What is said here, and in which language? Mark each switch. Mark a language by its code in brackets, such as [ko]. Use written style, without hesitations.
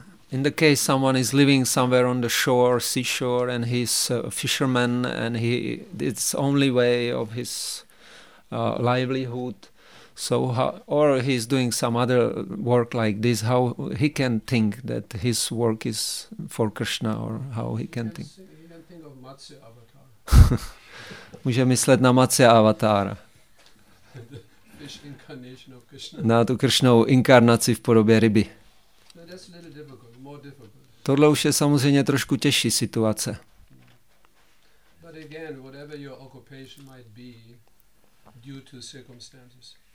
[en] In the case someone is living somewhere on the shore, seashore, and he's a fisherman, and it's only way of his livelihood, So how, or he's doing some other work like this, how he can think that his work is for Krishna, or how he can think? He can think of Matsya avatar. [cs] Může myslet na Matsya avatara. [en] Fish incarnation of Krishna. [cs] Na tu Krishnovu inkarnaci v podobě ryby. [en] That's a little difficult, more difficult. [cs] Tohle už je samozřejmě trošku těžší situace. [en] But again, whatever your occupation might be, due to circumstances.